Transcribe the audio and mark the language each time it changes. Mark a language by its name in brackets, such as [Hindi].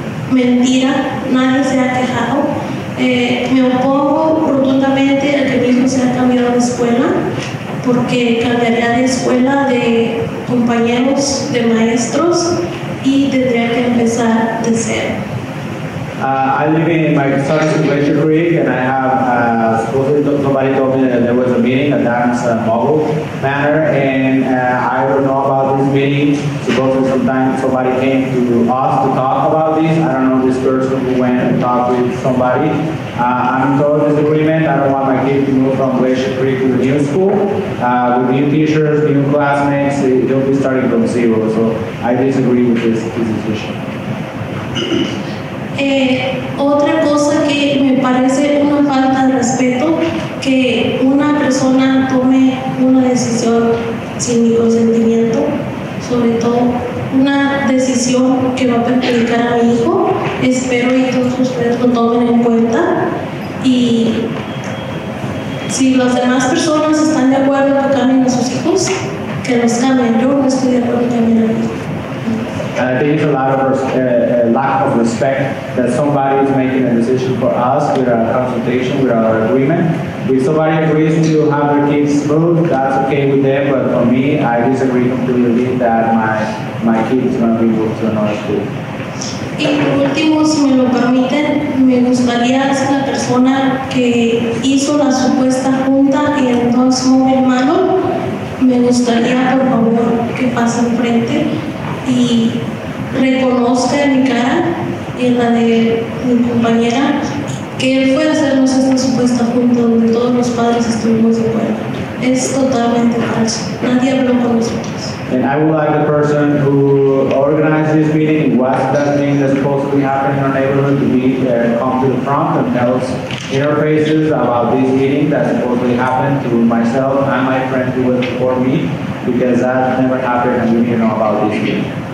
[Spanish] Mentira, nadie se ha quejado. Me opongo rotundamente a que mi hijo se ha cambiado de escuela, porque cambiaría de escuela de compañeros, de maestros, y tendría que empezar de cero. [English] I live in my son's Glacier Creek, and I have somebody told me that there was a meeting at Dan's mobile manor, and I don't know about this meeting. Supposedly sometimes somebody came to us to talk about this. I don't know this person who went and talked with somebody. I'm in total disagreement. I don't want my kid to move from Glacier Creek to the new school with new teachers, new classmates. They'll be starting from zero. So I disagree with this decision. [Spanish] Otra cosa que me parece una falta de respeto, que una persona tome una decisión sin mi consentimiento, sobre todo una decisión que va a perjudicar a mi hijo. Espero que todos ustedes lo tomen en cuenta, y si las demás personas están de acuerdo que cambien a sus hijos, que los cambien. Yo no estoy de acuerdo que cambien a mi hijo. [English] And I think it's a lot of lack of respect that somebody is making a decision for us with our consultation, with our agreement. If somebody agrees to have their kids moved, that's okay with them. But for me, I disagree completely that my kid is going to be moved to another school. [Spanish] Y por último, si me lo permiten, me gustaría ser la persona que hizo la supuesta junta y entonces mi hermano, me gustaría por favor que pase enfrente y reconozca en mi cara y en la de mi compañera que él fue a hacernos esta supuesta junta donde todos los padres estuvimos de acuerdo. Es totalmente falso. Nadie habló con nosotros. [English] And I would like the person who organized this meeting, what that thing that's supposed to be happening in our neighborhood, to be there and come to the front and tell us in our faces about this meeting that supposedly happened to myself and my friend who went before me, because that never happened and we didn't know about this meeting.